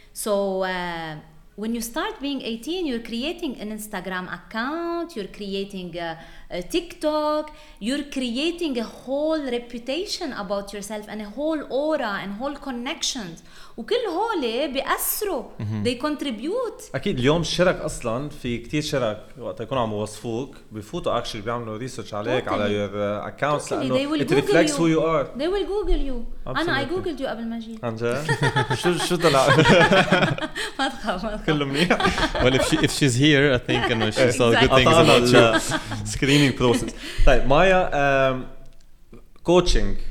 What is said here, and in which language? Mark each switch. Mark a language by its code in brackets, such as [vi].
[en] so when you start being 18, you're creating an Instagram account, you're creating TikTok, you're creating a whole reputation about yourself and a whole aura and whole connections, [ar] وكل هول بيأثروا [en] they contribute. [ar] أكيد اليوم الشرك أصلاً في كتير شرك وقت يكونوا عم يوصفوك بفوتوا [en] actually [ar] بيعملوا [en] research [ar] عليك على [en] your accounts [ar] لأنه [en] it reflects who you are. They will google you. [ar] أنا [en] I googled you [ar] قبل ما جيت. شو طلع؟ ما تخاف كله منيح. [en] Well, if she's here, I think and she saw good things about the screening process. [ar] طيب مايا, coaching.